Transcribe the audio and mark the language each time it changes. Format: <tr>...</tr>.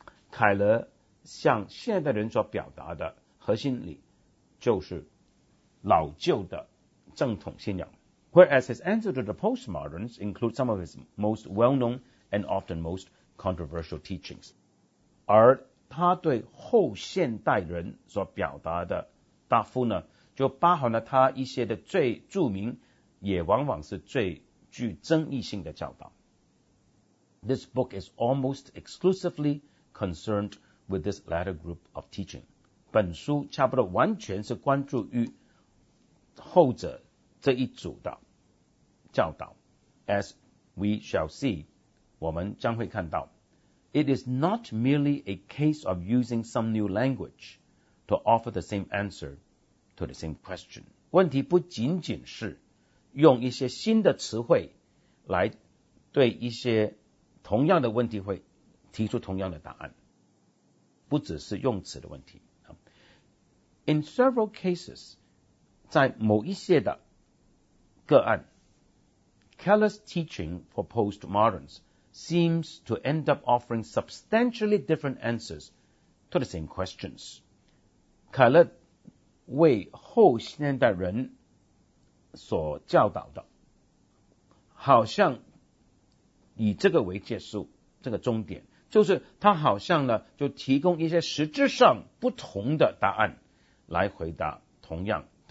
<zh>凯勒向现代人所表达的核心理就是老旧的正统信仰。</zh> <en>Whereas his answer to the postmoderns includes some of his most well-known and often most controversial teachings.</en> <zh>而他对后现代人所表达的答复呢，就包含了他一些的最著名，也往往是最具争议性的教导。</zh> <en>This book is almost exclusively concerned with this latter group of teaching.</en> <zh>本书差不多完全是关注于后者这一组的教导。</zh> <en>As we shall see,</en> <zh>我们将会看到，</zh> <en>It is not merely a case of using some new language to offer the same answer to the same question.</en> <zh>问题不仅仅是用一些新的词汇来对一些同样的问题会提出同样的答案，不只是用词的问题。</zh> <en>In several cases,</en> <zh>在某一些的个案，</zh> <en>Keller's teaching for postmoderns seems to end up offering substantially different answers to the same questions.</en> <zh>凯勒为后现代人所教导的，好像以这个为结束，这个终点，就是他好像呢，就提供一些实质上不同的答案来回答同样。</zh>